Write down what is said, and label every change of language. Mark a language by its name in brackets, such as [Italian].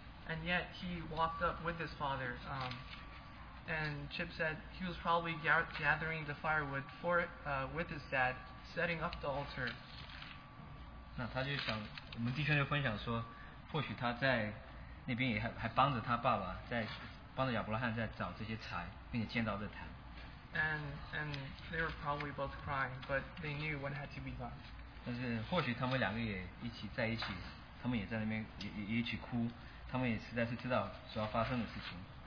[English] And yet he walked up with his father. And Chip said he was probably gathering the firewood for with his dad, setting up the altar. [Chinese] 那他就想，我们弟兄就分享说，或许他在那边也还帮着他爸爸，在帮着亚伯拉罕在找这些柴，并且见到这坛。 [English] And they were probably both crying, but they knew what had to be done. [Chinese] 但是或许他们两个也一起在一起，他们也在那边也一起哭，他们也实在是知道所要发生的事情。